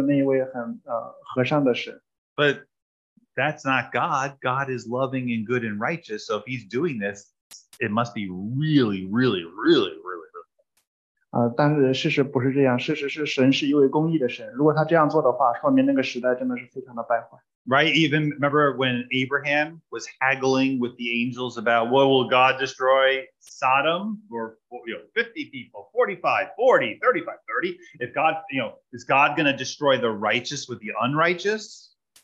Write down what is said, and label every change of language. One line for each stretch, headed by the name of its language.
Chinese: 你可能会说神看起来真的是非常的凶残,不是那一位很和善的神。
English: But that's not God. God is loving and good and righteous, so if he's doing this, it must be really, really, really, really, really.
Chinese: 但是事实不是这样,事实是神是一位公义的神,如果他这样做的话,说明那个时代真的是非常的败坏。
English: Right, even remember when Abraham was haggling with the angels about what will God destroy Sodom or you know, 50 people, 45, 40, 35, 30. If God, you know, is God going to destroy the righteous with the unrighteous?